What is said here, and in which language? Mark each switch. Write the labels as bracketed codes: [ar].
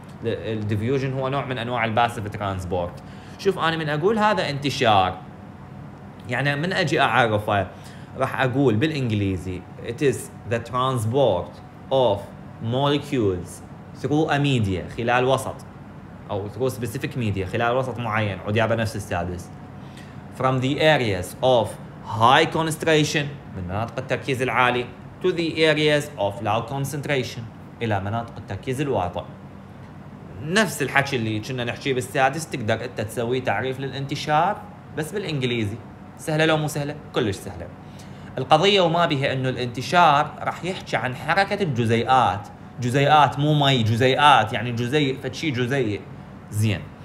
[ar] الديفيوجن هو نوع من أنواع الباسف ترانسبورت. شوف أنا من أقول هذا انتشار، يعني من أجي أعرفه راح أقول بالإنجليزي [en] it is the transport of molecules through a media، [ar] خلال وسط أو [en] through specific media، [ar] خلال وسط معين عديابة نفس السادس. [en] From the areas of high concentration، [ar] من مناطق التركيز العالي، [en] to the areas of low concentration، [ar] إلى مناطق التركيز الواطئ. نفس الحكي اللي كنا نحكيه بالسادس تقدر أنت تسوي تعريف للانتشار بس بالإنجليزي. سهلة لو مو سهلة؟ كلش سهلة القضية، وما بها أنه الانتشار راح يحكي عن حركة الجزيئات. جزيئات مو مي، جزيئات يعني جزيء، فتشي جزيء زين.